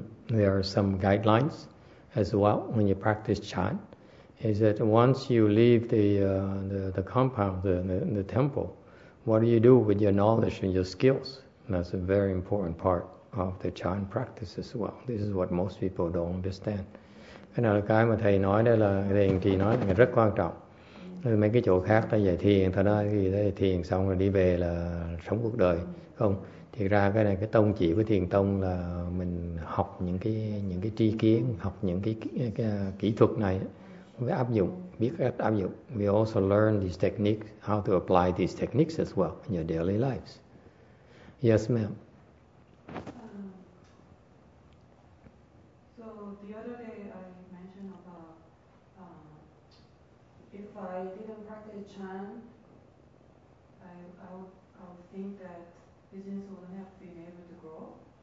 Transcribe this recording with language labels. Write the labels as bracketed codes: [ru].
[en] There are some guidelines as well when you practice chant. Is that once you leave the compound, the temple, what do you do with your knowledge and your skills? That's a very important part of the chan practice as well. This is what most people don't understand. [vi] Cái này là cái mà thầy nói đây là thiền trì nói là rất quan trọng. Mấy cái chỗ khác ta dạy thiền thôi đó, thì dạy thiền xong rồi đi về là sống cuộc đời không. Thì ra cái này cái tông chỉ của thiền tông là mình học những cái tri kiến, học những cái kỹ thuật này với áp dụng, biết cách áp dụng. [en] We also learn these techniques, how to apply these techniques as well in your daily lives. Yes, ma'am. So the other day I mentioned about if I didn't practice chan, I would think that business wouldn't have been able to grow.